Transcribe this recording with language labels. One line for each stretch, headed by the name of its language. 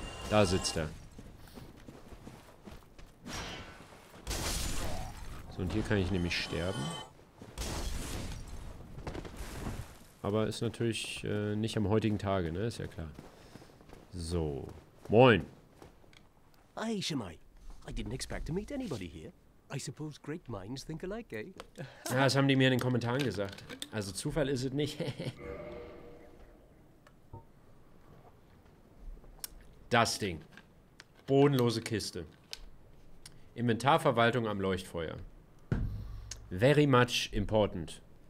German: Da sitzt er. So, und hier kann ich nämlich sterben. Aber ist natürlich nicht am heutigen Tage, ne? Ist ja klar. So. Moin. Hey, Shemai.
English: I didn't expect to meet anybody here. I suppose great minds think alike, eh?
German: Ja, das haben die mir in den Kommentaren gesagt. Also Zufall ist es nicht. Das Ding. Bodenlose Kiste. Inventarverwaltung am Leuchtfeuer.
English: Very much important.